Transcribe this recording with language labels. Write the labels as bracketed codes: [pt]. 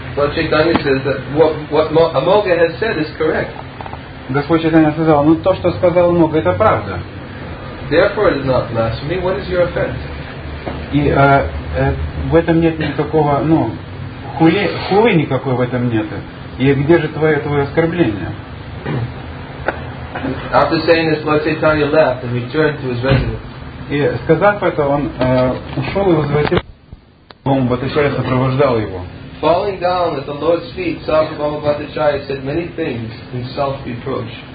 [en] Lord Chaitanya says that what Amoga has said is correct. [ru] Господь Чайтанья сказал, ну то, что сказал Амога, это правда. [en] Therefore, it is not blasphemy. What is your offense? [ru] И в этом нет никакого, ну, хулы никакой в этом нет. И где же твое оскорбление? [en] After saying this, Lord Chaitanya left and returned to his residence. [ru] И сказав это, он ушел и возвратился. Бхаму Бхаттачарья сопровождал его. [en] Falling down at the Lord's feet, Sāva Bhāma Bhattacharya said many things in self-reproach.